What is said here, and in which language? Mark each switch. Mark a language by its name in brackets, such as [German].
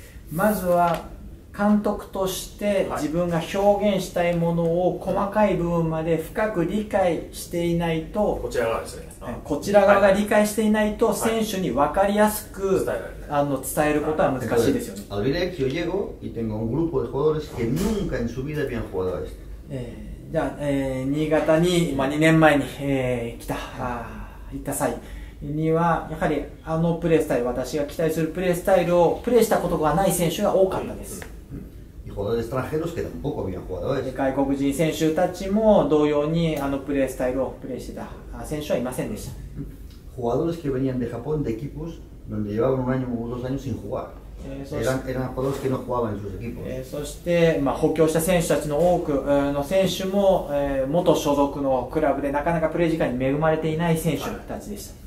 [Japanese] まずは監督として自分が表現したいものを細かい部分まで深く理解していないと、こちら側ですね、こちら側が理解していないと選手に分かりやすく伝えることは難しいですよね。 [Spanish] アルビレックスを llego y tengo un grupo de jugadores que nunca en su vida habían jugado a este。 [Japanese] じゃあ、新潟に、まあ、2年前に、行った際には、やはりあのプレースタイル、私が期待するプレースタイルをプレーしたことがない選手が多かったです。外国人選手たちも同様にあのプレースタイルをプレーしてた選手はいませんでした。 [Spanish] Jugadores que venían de Japón de equipos donde llevaban un año o dos años sin jugar. [Japanese] そして、まあ、補強した選手たちの多くの選手も、元所属のクラブでなかなかプレー時間に恵まれていない選手たちでした。